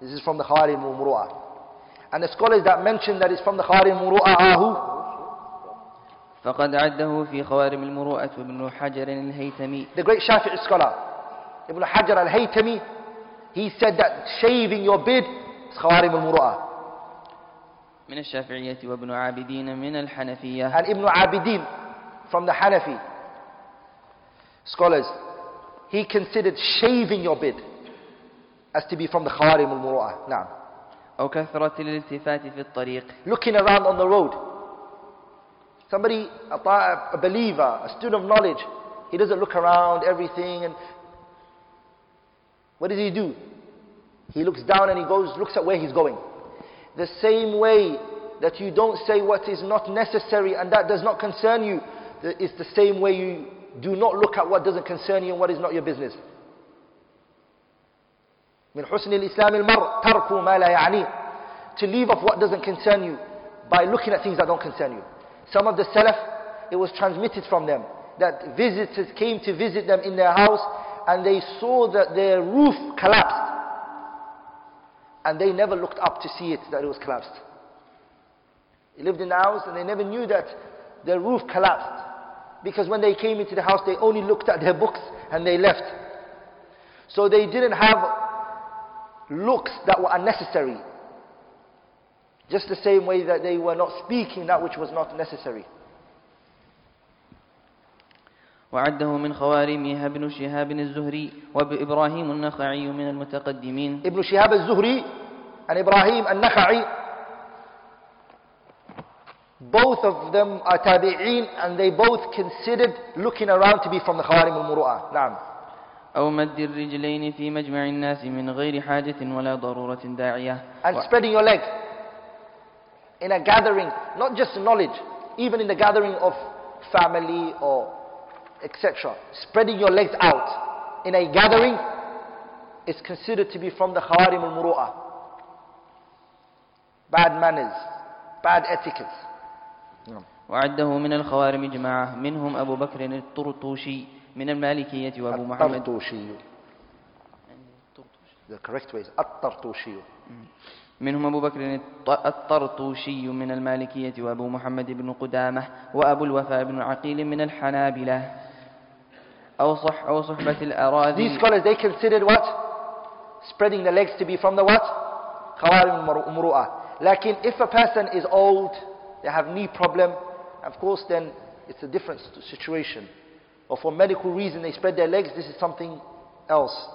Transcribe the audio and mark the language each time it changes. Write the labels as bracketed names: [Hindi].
[English] This is from the khawarim al-muru'ah. And the scholars that mention that it's from the khawarim al-muru'ah are who? [Arabic] فَقَدْ عَدَّهُ فِي خَوَارِمِ الْمُرُوَّةِ وَبِنُّ حَجَرٍ الْهَيْتَمِي. [English] The great Shafi'i scholar, Ibn Hajar al-Haytami, he said that shaving your beard is khawarim al-muru'ah. [Arabic] من الشافعية وابن عابدين من الحنفية. [English] And Ibn Abidin from the Hanafi scholars, he considered shaving your beard as to be from the خوارم المروءة. [Arabic] نعم. أو كثرة الالتفات في الطريق. [English] Looking around on the road. Somebody, a believer, a student of knowledge, he doesn't look around everything. And what does he do? He looks down and he goes, looks at where he's going. The same way that you don't say what is not necessary and that does not concern you, it's the same way you do not look at what doesn't concern you and what is not your business. [Arabic] من حسن الإسلام المرء ترك ما لا يعني. [English] To leave off what doesn't concern you by looking at things that don't concern you. Some of the Salaf, it was transmitted from them that visitors came to visit them in their house and they saw that their roof collapsed. And they never looked up to see it, that it was collapsed. They lived in the house and they never knew that their roof collapsed. Because when they came into the house, they only looked at their books and they left. So they didn't have looks that were unnecessary. Just the same way that they were not speaking that which was not necessary. [Arabic] وعده من خوارمها ابن شهاب الزهري وإبراهيم النخعي من المتقدمين. [English] ابن شهاب الزهري and Ibrahim النخعي, both of them are تابعين, and they both considered looking around to be from the خوارم المروءة. [Arabic] نعم. أو مد الرجلين في مجمع الناس من غير حاجة ولا ضرورة داعية. [English] And spreading your leg in a gathering, not just knowledge, even in the gathering of family or etc. Spreading your legs out in a gathering is considered to be from the خوارم المروءة. Bad manners, bad etiquette. [Arabic] وعده من الخوارم جماعة منهم أبو بكر الطرطوشي من المالكية وأبو محمد الطرطوشي. The correct way is الطرطوشي. منهم أبو بكر الطرطوشي من المالكية وأبو محمد بن قدامة وأبو الوفاء بن عقيل من الحنابلة. أو صحبة الأراذي. [English] These scholars, they considered what? Spreading the legs to be from the what? [Arabic] خوارم المروءة. [English] Lakin if a person is old, they have knee problem, of course then it's a different situation. Or for medical reason they spread their legs, this is something else.